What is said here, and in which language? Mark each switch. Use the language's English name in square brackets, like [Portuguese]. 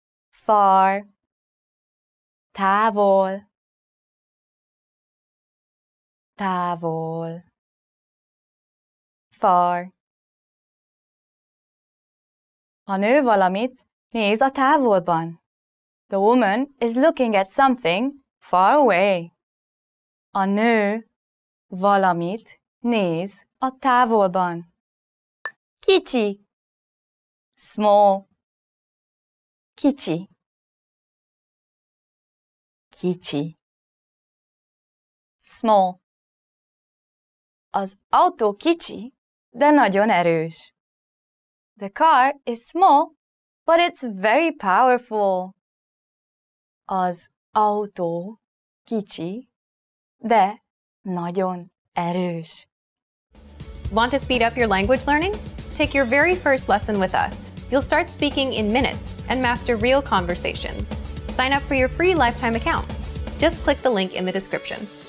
[English] Far. [Hungarian] Távol. Távol. [English] Far. [Hungarian] A nő valamit néz a távolban. [English] The woman is looking at something far away. [Hungarian] A nő valamit néz a távolban. Kicsi. [English] Small. [Hungarian] Kicsi. Kicsi. [English] Small. [Hungarian] Az autó kicsi, de nagyon erős. [English] The car is small, but it's very powerful. [Hungarian] Az autó kicsi, de nagyon erős. [English] Want to speed up your language learning? Take your very first lesson with us. You'll start speaking in minutes and master real conversations. Sign up for your free lifetime account. Just click the link in the description.